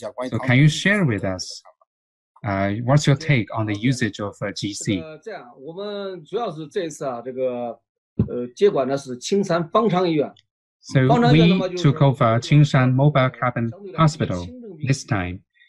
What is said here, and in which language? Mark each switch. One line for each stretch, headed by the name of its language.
English: So can you share with us what's your take on the usage of GC?
Chinese: 这样，我们主要是这次啊，这个接管的是青山方舱医院。
English: So we took over Qingshan Mobile Cabin Hospital this time.